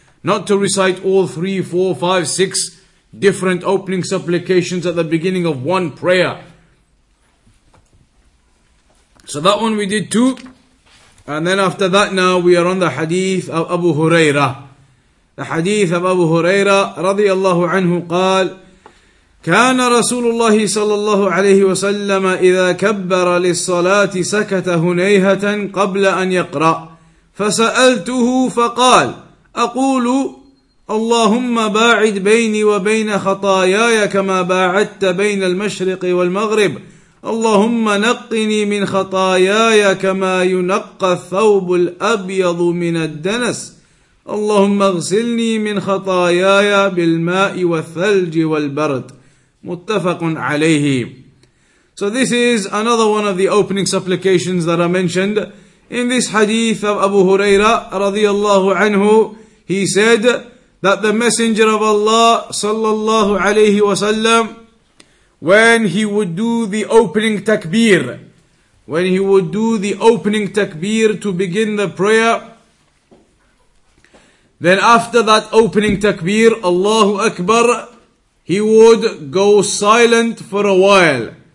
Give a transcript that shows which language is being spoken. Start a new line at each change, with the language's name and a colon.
English: Not to recite all 3, 4, 5, 6 different opening supplications at the beginning of one prayer. So that one we did too. And then after that now we are on the hadith of Abu Hurairah. The hadith of Abu Hurairah
Arabic: radiallahu anhu qal, كان رسول الله صلى الله عليه وسلم إذا كبر للصلاة سكت هنيهة قبل أن يقرأ فسألته فقال أقول اللهم باعد بيني وبين خطاياي كما باعدت بين المشرق والمغرب اللهم نقني من خطاياي كما ينقى الثوب الأبيض من الدنس اللهم اغسلني من خطاياي بالماء والثلج والبرد. Muttafaqun alayhi.
English: So this is another one of the opening supplications that are mentioned. In this hadith of Abu Huraira radiallahu anhu, he said that the Messenger of Allah sallallahu alayhi wa sallam, when he would do the opening takbir, when he would do the opening takbir to begin the prayer, then after that opening takbir, Allahu Akbar, he would go silent for a while.